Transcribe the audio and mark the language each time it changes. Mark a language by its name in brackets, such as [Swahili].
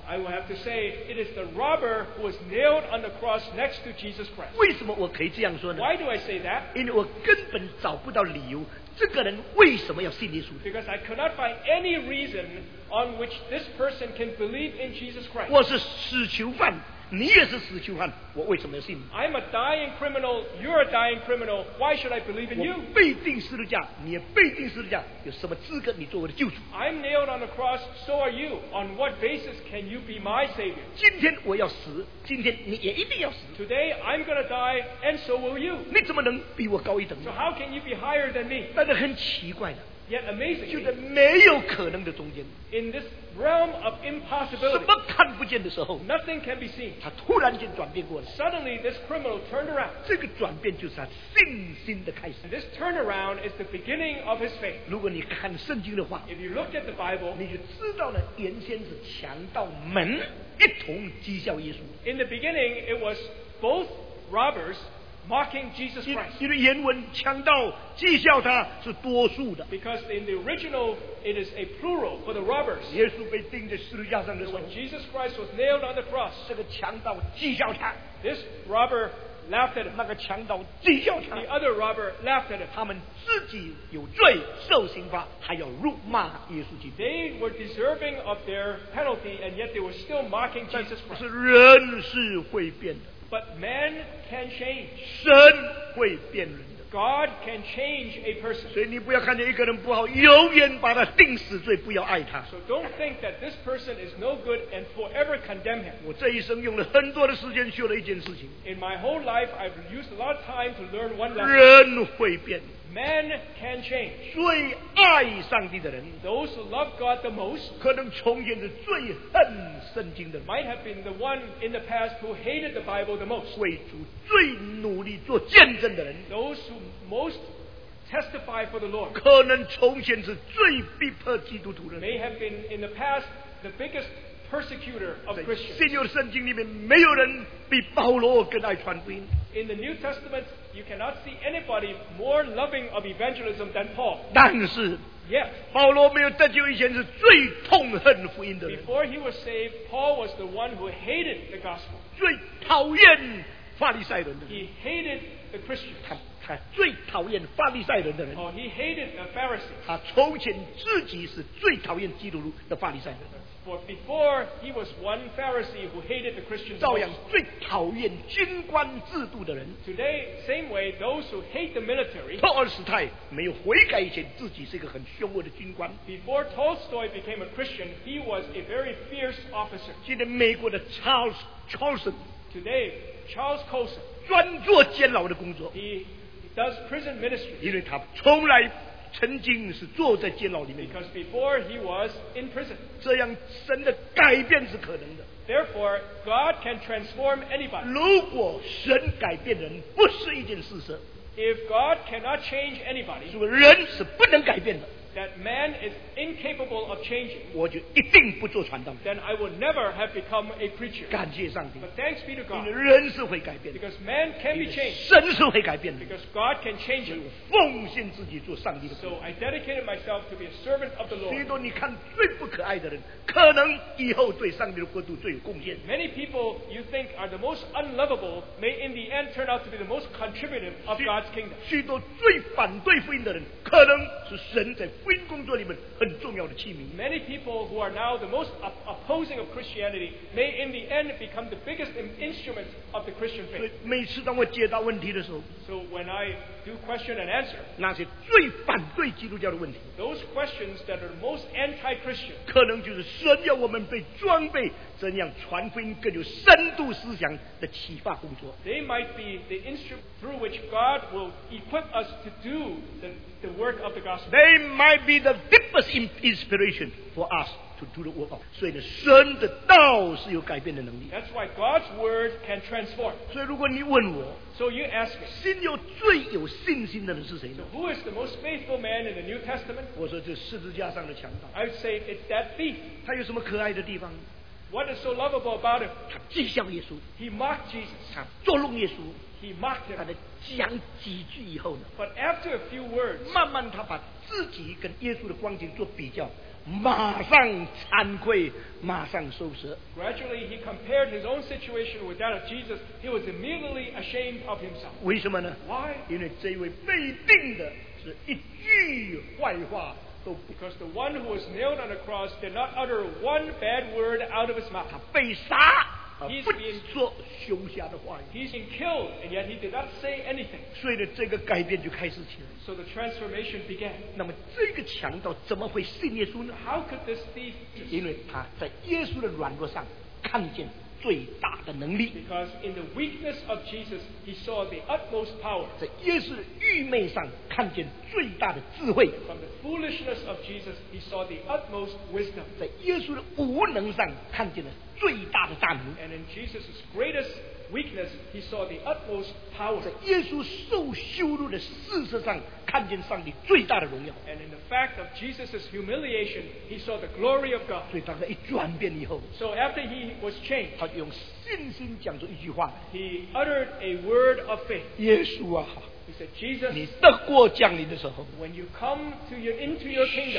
[English] I will have to say it is the robber who was nailed on the cross next to Jesus Christ. [Chinese] 为什么我可以这样说呢? [English] Why do I say that? [Chinese] 因为我根本找不到理由, 这个人为什么要信耶稣? [English] Because I could not find any reason on which this person can believe in Jesus Christ. [Chinese] 我是死囚犯, 你也是死囚犯, 我为什么要信? [English] I'm a dying criminal, you're a dying criminal, why should I believe in you? [Chinese] 我被钉十字架, 你也被钉十字架, 有什么资格你做我的救主? [English] I'm nailed on the cross, so are you. On what basis can you be my savior? [Chinese] 今天我要死, 今天你也一定要死, [English] today I'm going to die, and so will you. [Chinese] 你怎么能比我高一等? [English] So how can you be higher than me? [Chinese] 但是很奇怪的, [English] Yet amazingly, [Chinese] 就在没有可能的中间, [English] in this realm of impossibility, [Chinese] 什么看不见的时候, [English] nothing can be seen. [Chinese] 他突然间转变过来, [English] suddenly, this criminal turned around. [Chinese] 这个转变就是他信心的开始, [English] and this turnaround is the beginning of his faith. [Chinese] 如果你看圣经的话, [English] if you look at the Bible, [Chinese] 你就知道了原先是强盗们一同讥笑耶稣, [English] in the beginning, it was both robbers mocking Jesus Christ. [Chinese] 因为原文强盗讥笑他是多数的, [English] because in the original it is a plural for the robbers. [Chinese] 耶稣被钉在十字架上的时候, [English] when Jesus Christ was nailed on the cross, [Chinese] 这个强盗讥笑他, [English] this robber laughed at him, [Chinese] 那个强盗讥笑他, [English] the other robber laughed at him. [Chinese] 他们自己有罪受刑罚, 还要辱骂耶稣基督, [English] they were deserving of their penalty and yet they were still mocking Jesus Christ. [Chinese] 但是人是会变的, [English] but man can change. [Chinese] 神会变人的, [English] God can change a person. [Chinese] 所以你不要看见一个人不好, 永远把他钉死罪, 不要爱他, [English] so don't think that this person is no good and forever condemn him. [Chinese] 我这一生用了很多的时间学了一件事情, [English] in my whole life I've used a lot of time to learn one lesson. [Chinese] 人会变, [English] man can change. [Chinese] 最爱上帝的人, [English] those who love God the most, [Chinese] 可能从前是最恨圣经的人, [English] might have been the one in the past who hated the Bible the most. [Chinese] 为主最努力做见证的人, [English] those who most testify for the Lord, [Chinese] 可能从前是最逼迫基督徒的人, [English] may have been in the past the biggest persecutor of Christians. [Chinese] 新约圣经里面没有人比保罗更爱传福音, [English] in the New Testament you cannot see anybody more loving of evangelism than Paul. [Chinese] 但是, [English] yet, [Chinese] 保罗没有得救以前是最痛恨福音的人, [English] before he was saved, Paul was the one who hated the gospel. [Chinese] 最讨厌法利赛人的人, [English] he hated the Christians. [Chinese] 他最讨厌法利赛人的人, [English] oh, he hated the Pharisees. [Chinese] 他从前自己是最讨厌基督的法利赛人的人, [English] for before he was one Pharisee who hated the Christians. Today, same way, those who hate the military, [Chinese] 托尔斯泰没有悔改以前, [English] before Tolstoy became a Christian, he was a very fierce officer. [Chinese] 今天美国的 Charles Colson, [English] today, Charles Colson, [Chinese] 专做监牢的工作, [English] he does prison ministry. [Chinese] 因为他从来 曾经是坐在监牢里面, [English] because before he was in prison. [Chinese] 这样神的改变是可能的, [English] therefore God can transform anybody. [Chinese] 如果神改变人不是一件事实, [English] if God cannot change anybody, [Chinese] 是不是人是不能改变的, [English] that man is incapable of changing, [Chinese] 我就一定不做传道人, [English] then I would never have become a preacher. [Chinese] 感谢上帝, [English] but thanks be to God, [Chinese] 因为人是会改变的, [English] because man can be changed, [Chinese] 神是会改变的, [English] because God can change him. [Chinese] 奉献自己做上帝的, [English] so I dedicated myself to be a servant of the Lord. [Chinese] 许多你看最不可爱的人, 可能以后对上帝的国度最有贡献, [English] many people you think are the most unlovable may in the end turn out to be the most contributive of God's kingdom. [Chinese] 许多最反对福音的人, 可能是神 在福音工作里面很重要的器皿, [English] many people who are now the most opposing of Christianity may in the end become the biggest instruments of the Christian faith. [Chinese] 所以每次当我解答问题的时候, [English] so when I do question and answer, [Chinese] 那些最反对基督教的问题, [English] those questions that are most anti-Christian, [Chinese] 可能就是神要我们被装备, 怎样传福音更有深度思想的启发工作, [English] they might be the instrument through which God will equip us to do the work of the gospel. They might be the deepest inspiration for us to do the work of. [Chinese] 所以呢, [English] that's why God's word can transform. [Chinese] 所以如果你问我, [English] so you ask me, [Chinese] 心有最有信心的人是谁呢? [English] So who is the most faithful man in the New Testament? [Chinese] 我说这十字架上的强盗, [English] I would say it's that thief. [Chinese] 他有什么可爱的地方? [English] What is so lovable about him? [Chinese] 他讥笑耶稣, [English] he mocked Jesus. [Chinese] 他捉弄耶稣, [English] he mocked him. [Chinese] 他在讲几句以后呢, [English] but after a few words, [Chinese] 慢慢他把自己跟耶稣的光景做比较, 马上惭愧, 马上收拾, [English] gradually he compared his own situation with that of Jesus. He was immediately ashamed of himself. [Chinese] 为什么呢? [English] Why? [Chinese] 因为这位被钉的是一句坏话, [English] because the one who was nailed on the cross did not utter one bad word out of his mouth. [Chinese] 他被杀, [English] he's being killed and yet he did not say anything. [Chinese] 所以这个改变就开始起来, [English] so the transformation began. [Chinese] 那么这个强盗怎么会信耶稣呢? [English] How could this thief? [Chinese] 因为他在耶稣的软弱上看见最大的能力。 [English] Because in the weakness of Jesus, he saw the utmost power. [Chinese] 在耶稣愚昧上看见最大的智慧。 [English] From the foolishness of Jesus, he saw the utmost wisdom. [Chinese] 在耶稣的无能上看见了最大的大能。 [English] And in Jesus' greatest weakness, he saw the utmost power. [Chinese] 在耶稣受羞辱的事实上看见上帝最大的荣耀。 [English] And in the fact of Jesus' humiliation, he saw the glory of God. [Chinese] 所以当他一转变以后， [English] so after he was changed, [Chinese] 他用信心讲出一句话， [English] he uttered a word of faith. [Chinese] 耶稣啊， [English] he said, Jesus, [Chinese] 你得过降临的时候， [English] when you come to your, into your kingdom,